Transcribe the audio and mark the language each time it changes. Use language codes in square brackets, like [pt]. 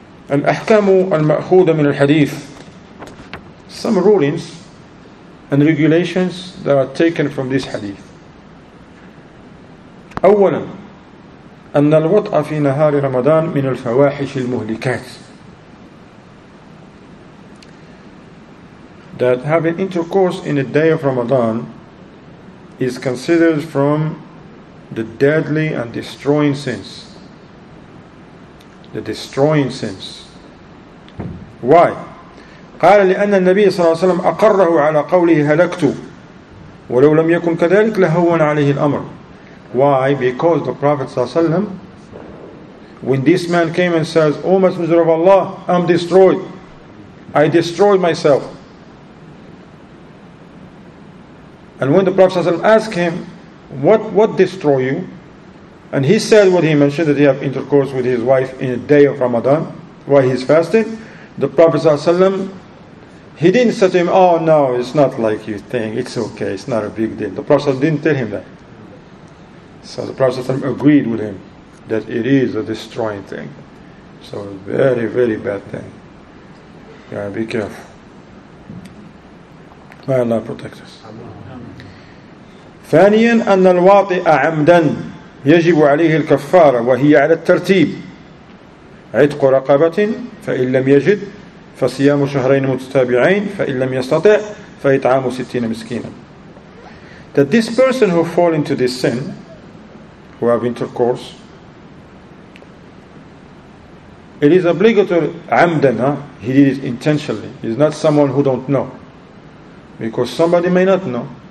[ar] الأحكام المأخوذة من الحديث. [en] Some rulings and regulations that are taken from this hadith. [ar] أولا أن الوطأ في نهار رمضان من الفواحش المهلكات. [en] That having intercourse in the day of Ramadan is considered from the deadly and destroying sins. The destroying sins. Why? [ar] قال لأن النبي صلى الله عليه وسلم أقره على قوله هلكت ولو لم يكن كذلك لهون عليه الأمر. [en] Why? Because the Prophet [ar] صلى الله عليه وسلم, [en] when this man came and says, O Messenger of Allah, I'm destroyed. I destroyed myself. And when the Prophet ﷺ asked him, what destroy you? And he said what he mentioned, that he had intercourse with his wife in the day of Ramadan, while he's fasting. The Prophet ﷺ, he didn't say to him, oh no, it's not like you think, it's okay, it's not a big deal. The Prophet ﷺ didn't tell him that. So the Prophet ﷺ agreed with him that it is a destroying thing. So a very, very bad thing. You gotta be careful. May Allah protect us. [ar] ثانيا أن الواطئ عمدا يجب عليه الكفارة وهي على الترتيب عتق رقبة فإن لم يجد فصيام شهرين متتابعين فإن لم يستطع فإطعام 60 مسكينا. [en] That this person who fall into this sin, who have intercourse, it is obligatory عمدا, he did it intentionally. He's not someone who don't know, because somebody may not know.